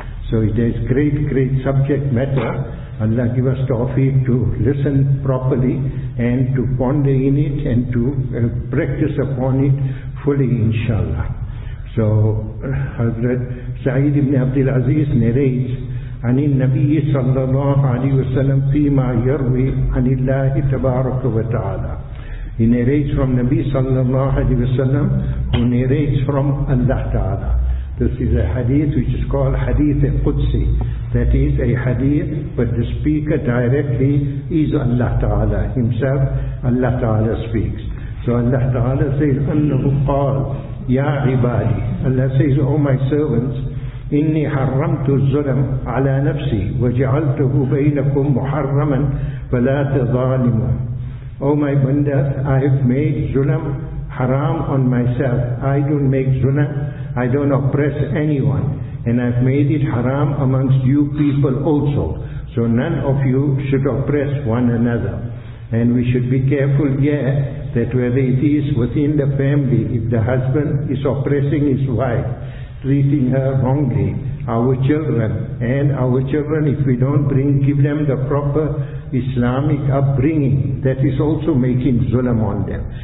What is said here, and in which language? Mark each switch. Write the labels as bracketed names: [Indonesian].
[English] So it is great subject matter. Allah give us tawfiq to listen properly and to ponder in it and to practice upon it fully, inshallah. So Hazrat Sa'id ibn Abdul Aziz narrates [Arabic] عن النبي صلى الله عليه وسلم فيما يروي عن الله تبارك وتعالى. [English] He narrates from Nabi [Arabic] صلى الله عليه وسلم, [English] who narrates from Allah تعالى. This is a hadith which is called Hadith Qudsi. That is a hadith, but the speaker directly is Allah تعالى himself. Allah تعالى speaks. So Allah تعالى says, [Arabic] أنه قال يا عبادي. [English] Allah says, oh my servants, [Arabic] إني حرمت الظلم على نفسي وجعلته بينكم محرما فلا تظالموا. [English] Oh my bandas, I have made zulam haram on myself. I don't make zulam, I don't oppress anyone, and I've made it haram amongst you people also. So none of you should oppress one another. And we should be careful here that whether it is within the family, if the husband is oppressing his wife, treating her wrongly, our children, if we don't give them the proper Islamic upbringing, that is also making zulam on them.